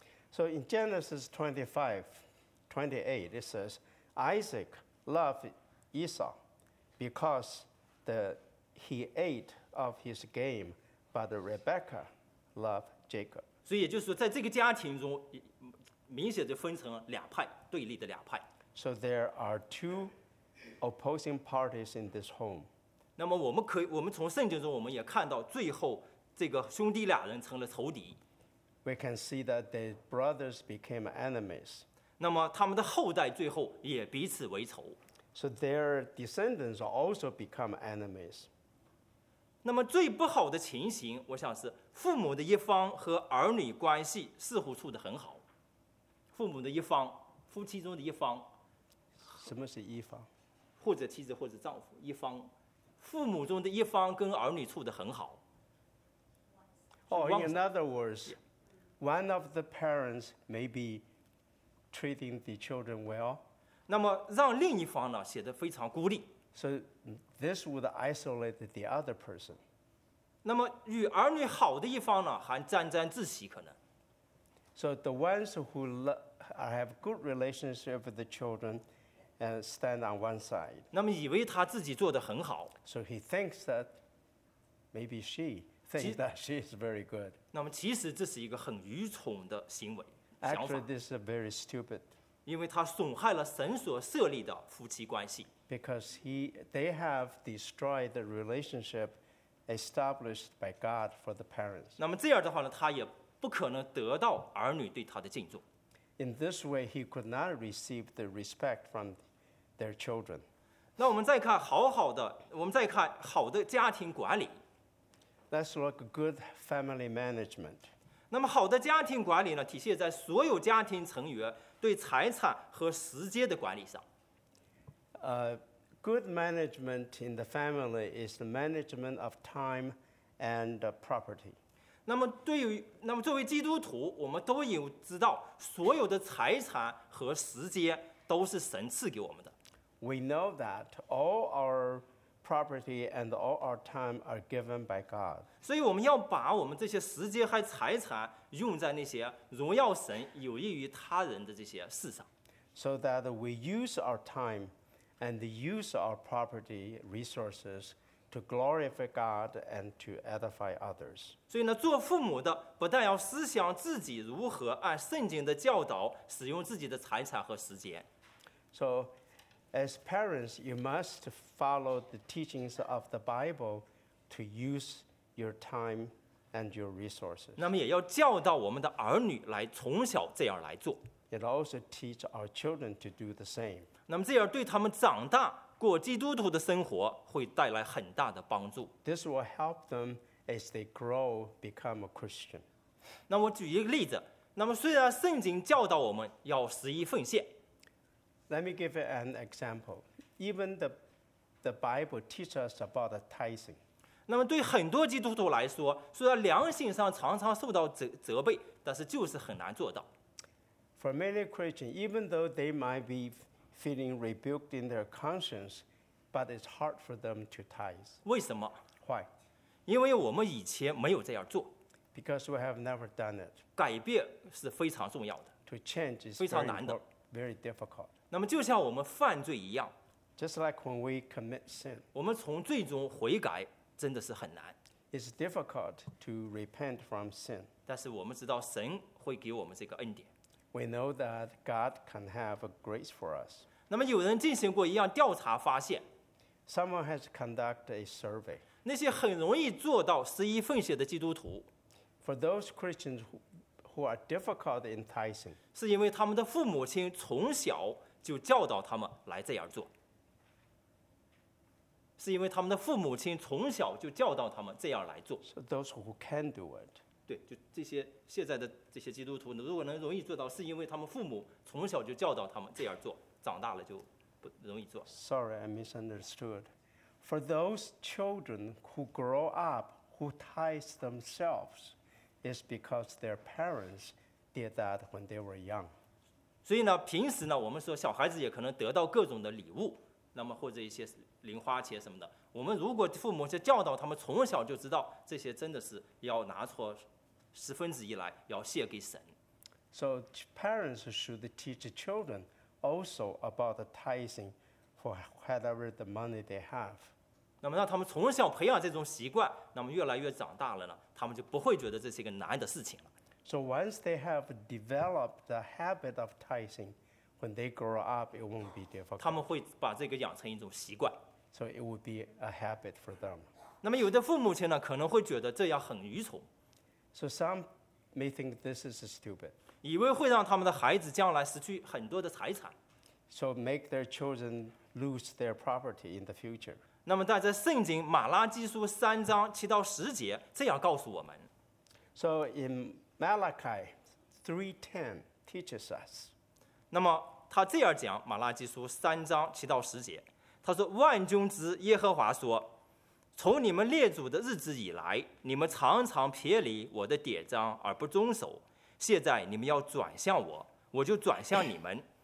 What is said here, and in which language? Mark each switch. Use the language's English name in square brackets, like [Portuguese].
[English] So in Genesis 25:28 it says Isaac loved Esau because he ate of his game, but Rebekah loved Jacob. [Chinese] 所以也就是说在这个家庭中明显就分成两派，对立的两派。 [English] So there are two opposing parties in this home. [Chinese] 那么我们从圣经中我们也看到，最后这个兄弟俩人成了仇敌。 [English] We can see that the brothers became enemies. [Chinese] 那么他们的后代最后也彼此为仇。 [English] So their descendants also become enemies. [Chinese] 那么最不好的情形，我想是父母的一方和儿女关系似乎处得很好。父母的一方，夫妻中的一方，什么是一方？或者妻子或者丈夫一方，父母中的一方跟儿女处得很好。 [English] Oh, in other words, one of the parents may be treating the children well. [Chinese] 那么让另一方呢显得非常孤立。 [English] So this would isolate the other person. [Chinese] 那么与儿女好的一方呢还沾沾自喜可能。 [English] So the ones who have good relationship with the children and stand on one side. [Chinese] 那么以为他自己做得很好。 [English] So he thinks that maybe she thinks that she is very good. [Chinese] 那么其实这是一个很愚蠢的行为。 [English] Actually, this is very stupid. [Chinese] 因为他损害了神所设立的夫妻关系。 [English] Because they have destroyed the relationship established by God for the parents. [Chinese] 那么这样的话呢，他也不可能得到儿女对他的敬重。 [English] In this way, he could not receive the respect from their children. [Chinese] 那我们再看好的家庭管理。 [English] Let's look at good family management. [Chinese] 那么好的家庭管理呢，体现在所有家庭成员对财产和时间的管理上。 [English] Good management in the family is the management of time and property. [Chinese] 那么作为基督徒，我们都有知道，所有的财产和时间都是神赐给我们的。 [English] We know that all our property and all our time are given by God. [Chinese] 所以我们要把我们这些时间和财产用在那些荣耀神、有益于他人的这些事上。 [English] So that we use our time and use our property resources to glorify God and to edify others. [Chinese] 所以呢，做父母的不但要思想自己如何按圣经的教导使用自己的财产和时间。 [English] So, as parents, you must follow the teachings of the Bible to use your time and your resources. [Chinese] 那么也要教导我们的儿女来从小这样来做。 [English] It also teach our children to do the same. [Chinese] 那么这样对他们长大过基督徒的生活会带来很大的帮助。 [English] This will help them as they grow, become a Christian. [Chinese] 那我举一个例子，那么虽然圣经教导我们要十一奉献。 [English] Let me give you an example. Even the Bible teaches us about the tithing. [Chinese] 那么对很多基督徒来说，虽然良心上常常受到责备，但是就是很难做到。 [English] For many Christians, even though they might be feeling rebuked in their conscience, but it's hard for them to tithe. [Chinese] 为什么？ [English] Why? [Chinese] 因为我们以前没有这样做。 [English] Because we have never done it. [Chinese] 改变是非常重要的。 [English] To change is [Chinese] 非常难的。 [English] Very difficult. [Chinese] 那么就像我们犯罪一样。 [English] Just like when we commit sin. [Chinese] 我们从罪中悔改真的是很难。 [English] It's difficult to repent from sin. [Chinese] 但是我们知道神会给我们这个恩典。 [English] We know that God can have a grace for us. [Chinese] 那么有人进行过一样调查发现。 [English] Someone has conducted a survey. [Chinese] 那些很容易做到十一奉献的基督徒。 [English] For those Christians who are difficult in tithing. [Chinese] 是因为他们的父母亲从小就教导他们来这样做。是因为他们的父母亲从小就教导他们这样来做。 [English] So those who can do it. [Chinese] 对，就这些现在的这些基督徒，如果能容易做到，是因为他们父母从小就教导他们这样做，长大了就不容易做。 [English] Sorry, I misunderstood. For those children who grow up who tithe themselves, it's because their parents did that when they were young. [Chinese] 所以呢，平时呢，我们说小孩子也可能得到各种的礼物，那么或者一些零花钱什么的。我们如果父母是教导他们从小就知道这些真的是要拿出十分之一来要献给神。 [English] So parents should teach children also about the tithing for whatever the money they have. [Chinese] 那么让他们从小培养这种习惯，那么越来越长大了呢，他们就不会觉得这是一个难的事情了。 [English] So once they have developed the habit of tithing, when they grow up, it won't be difficult. [Chinese] 他们会把这个养成一种习惯。 [English] So it would be a habit for them. [Chinese] 那么有的父母亲呢，可能会觉得这样很愚蠢。 [English] So some may think this is stupid. [Chinese] 以为会让他们的孩子将来失去很多的财产。 [English] So make their children lose their property in the future. [Chinese] 那么但在圣经马拉基书三章七到十节这样告诉我们。 [English] So in Malachi 3:10 teaches us. [Chinese] 那么他这样讲马拉基书三章七到十节。他说万军之耶和华说，从你们列祖的日子以来，你们常常撇离我的典章而不遵守，现在你们要转向我，我就转向你们。